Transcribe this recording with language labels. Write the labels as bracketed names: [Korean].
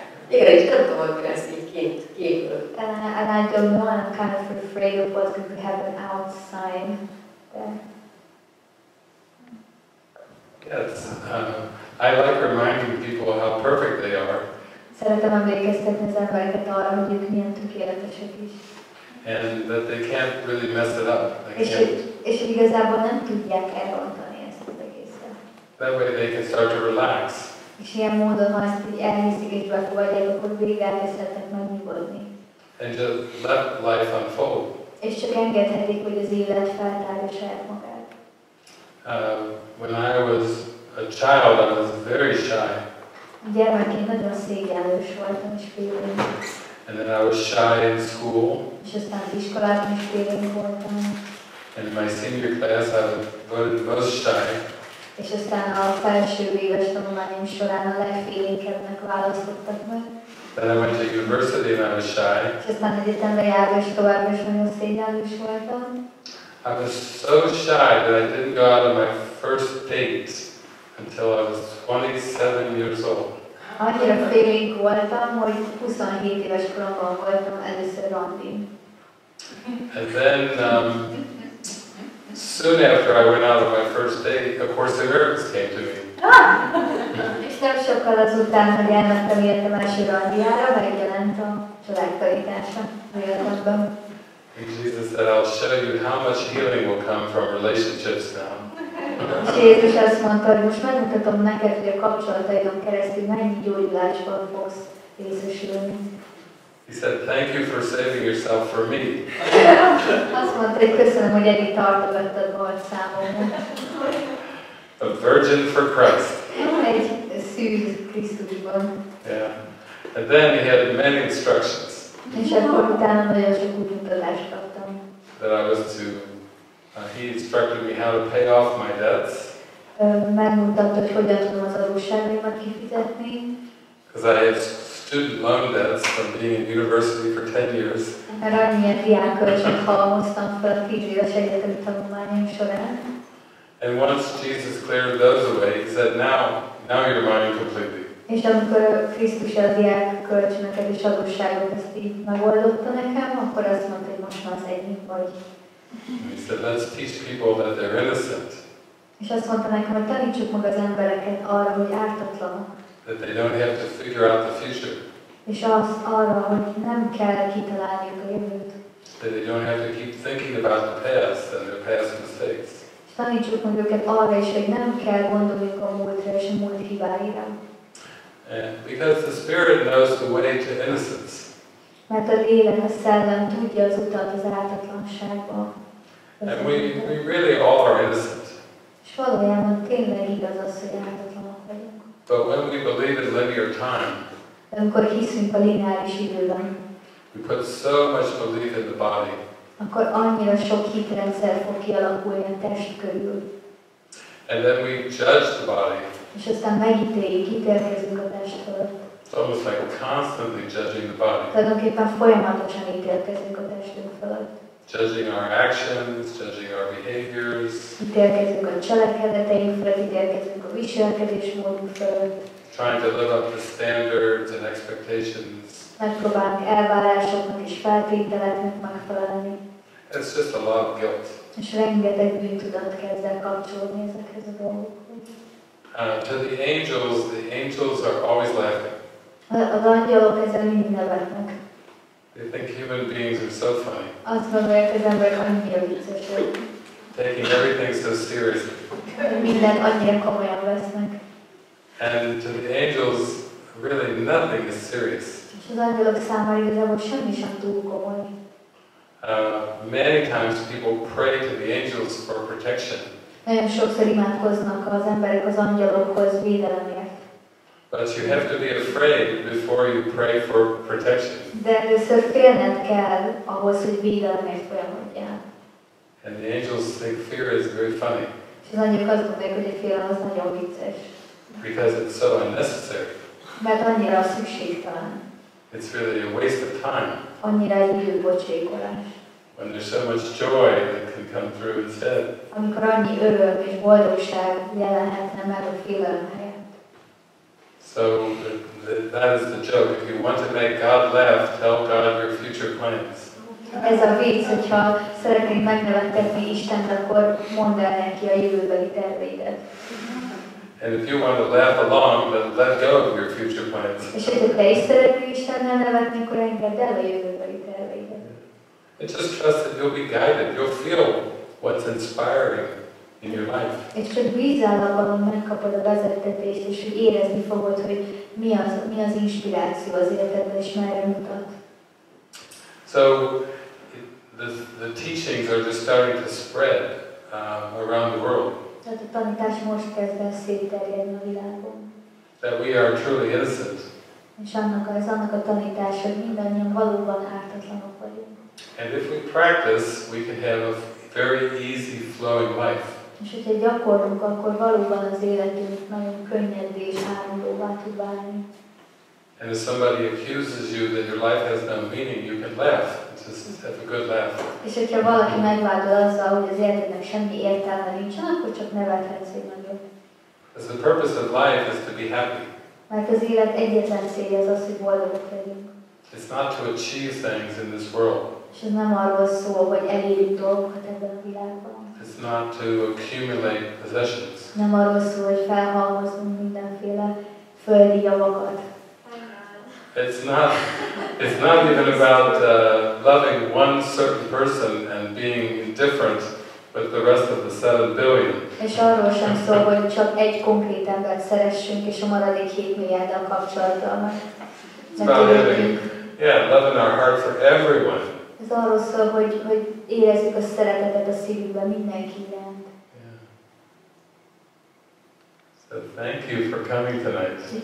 [Hungarian] Igen, és nem tudom, hogy lesz így kint, kívül. [English] And I don't know, I'm kind of afraid of what could happen outside there. Yes, I like reminding people how perfect they are. [Hungarian] Szeretem emlékeztetni az embereket arra, hogy ők milyen tökéletesek is. [English] And that they can't really mess it up. [Hungarian] És hogy igazából nem tudják elrontani ezt az egészet. [English] That way they can start to relax. [Hungarian] És ilyen módon, ha ezt így elhiszik és befogadják, akkor végig elkezdhetnek megnyugodni. [English] And just let life unfold. [Hungarian] És csak engedhetik, hogy az élet feltárja saját magát. [English] When I was a child, I was very shy. [Hungarian] Gyermekként nagyon szégyenlős voltam és félénk. [English] And then I was shy in school. [Hungarian] És aztán az iskolában is félénk voltam. [English] And in my senior class I was most shy. [Hungarian] És aztán a felső éves tanulmányom során a legfélénkebbnek választottak meg. [English] Then I went to university and I was shy. [Hungarian] És aztán egyetemre járva és tovább is nagyon szégyenlős voltam. [English] I was so shy that I didn't go out on my first date. Until I was 27 years old. [Hungarian] Annyira félénk voltam, hogy 27 éves koromban voltam először randin. [English] And then, soon after I went out on my first date, A Course in Miracles came to me. [Hungarian] És nem sokkal azután, hogy elmentem értem első randiára, megjelent a családtalítása a jelenetben. [English] And Jesus said, I'll show you how much healing will come from relationships now. [Hungarian] És Jézus azt mondta, hogy most megmutatom neked, hogy a kapcsolataidon keresztül mennyi gyógyulásban fogsz részesülni. [English] He said, thank you for saving yourself for me. [Hungarian] Azt mondta, hogy köszönöm, hogy eddig tartogattad volt számomra. [English] A virgin for Christ. [Hungarian] Egy szűz Krisztusban. [English] Yeah. And then he had many instructions. [Hungarian] És akkor utána nagyon sok új utalást kaptam. [English] That I was to he instructed me how to pay off my debts. [Hungarian] Megmutatta, hogy hogyan tudom az adósságaimat kifizetni. [English] Because I have student loan debts from being in university for 10 years. [Hungarian] Mert annyian diákkölcsönt halmoztam fel a 10 éves egyetemi tanulmányom során. [English] And once Jesus cleared those away, he said, now you're mine completely. [Hungarian] És amikor Krisztus a diákkölcsönöket és adósságokat megoldotta nekem, akkor azt mondta, hogy most már az enyém vagy. [English] He said, let's teach people that they're innocent. [Hungarian] És azt mondta nekem, hogy tanítsuk meg az embereket arra, hogy ártatlanok. [English] That they don't have to figure out the future. [Hungarian] És azt arra, hogy nem kell kitalálniuk a jövőt. [English] That they don't have to keep thinking about the past and their past mistakes. [Hungarian] És tanítsuk meg őket arra is, hogy nem kell gondoljuk a múltra és a múlt hibáira. [English] And because the Spirit knows the way to innocence. [Hungarian] Mert a lélek, a szellem tudja az utat az ártatlanságba. [English] And we really all are innocent. [Hungarian] És valójában tényleg igaz az, hogy ártatlanok vagyunk. [English] But when we believe in linear time, [Hungarian] de amikor hiszünk a lineáris időben, [English] we put so much belief in the body, [Hungarian] akkor annyira sok hitrendszer fog kialakulni a test körül. [English] And then we judge the body. [Hungarian] És aztán megítéljük, ítélkezünk a test fölött. [English] It's almost like constantly judging the body. [Hungarian] Tulajdonképpen folyamatosan ítélkezünk a testünk fölött. [English] Judging our actions, judging our behaviors. [Hungarian] Ítélkezünk a cselekedeteink fölött, ítélkezünk a viselkedésmódunk fölött. [English] Trying to live up to standards and expectations. [Hungarian] Megpróbálunk elvárásoknak és feltételeknek megfelelni. [English] It's just a lot of guilt. [Hungarian] És rengeteg bűntudat kezd el kapcsolni ezekhez a dolgokhoz. [English] To the angels are always laughing. [Hungarian] Az angyalok ezzel mindig nevetnek. [English] They think human beings are so funny. [Hungarian] Azt gondolják, az emberek annyira viccesek. [English] Taking everything so seriously. [Hungarian] Mindent annyira komolyan vesznek. [English] And to the angels, really nothing is serious. [Hungarian] És az angyalok számára igazából semmi sem túl komoly. [English] Many times people pray to the angels for protection. [Hungarian] Nagyon sokszor imádkoznak az emberek az angyalokhoz védelemért. [English] But you have to be afraid before you pray for protection. [Hungarian] De először félned kell ahhoz, hogy védelemért folyamodjál. [English] And the angels think fear is very funny. [Hungarian] És az angyalok azt mondják, hogy a fél az nagyon vicces. [English] Because it's so unnecessary. [Hungarian] Mert annyira szükségtelen. [English] It's really a waste of time. [Hungarian] Annyira időbocsékolás. [English] When there's so much joy that can come through instead. [Hungarian] Amikor annyi öröm és boldogság jelenhetne meg a félelem helyett. [English] So that is the joke. If you want to make God laugh, tell God your future plans. [Hungarian] Ez a vicc, hogyha szeretnéd megnevettetni Istent, akkor mondd el neki a jövőbeli terveidet. [English] And if you want to laugh along, then let go of your future plans. [Hungarian] És hogyha te is szeretnéd Istennel nevetni, akkor engedd el a jövőbeli terveidet. [English] And just trust that you'll be guided. You'll feel what's inspiring in your life. [Hungarian] És csak bízál abban, hogy megkapod a vezetést, és hogy érezni fogod, hogy mi az inspiráció az életedben, és merre mutat. [English] So the teachings are just starting to spread around the world. [Hungarian] Tehát a tanítás most kezd el szétterjedni a világon. [English] That we are truly innocent. [Hungarian] És annak a tanítása, hogy mindannyian valóban ártatlanok vagyunk. [English] And if we practice, we can have a very easy, flowing life. [Hungarian] És hogyha gyakorlunk, akkor valóban az életünk nagyon könnyedé és áradóvá tud válni. [English] And if somebody accuses you that your life has no meaning, you can laugh. Just have a good laugh. [Hungarian] És hogyha valaki megvádol azzal, hogy az életednek semmi értelme nincsen, akkor csak nevethetsz egy nagyot. [English] Because the purpose of life is to be happy. [Hungarian] Mert az élet egyetlen célja az az, hogy boldogok legyünk. [English] It's not to achieve things in this world. [Hungarian] És ez nem arról szól, hogy elérjük dolgokat ebben a világban. [English] It's not to accumulate possessions. [Hungarian] Nem arról szól, hogy felhalmozunk mindenféle földi javakat. [English] It's not even about loving one certain person and being indifferent with the rest of the 7 billion. [Hungarian] És arról sem szól, hogy csak egy konkrét embert szeressünk, és a maradék 7 milliárddal kapcsolatban. [English] Love in our heart for everyone. [Hungarian] Ez arról szól, hogy érezzük a szeretetet a szívünkben mindenki iránt. [English] So thank you for coming tonight.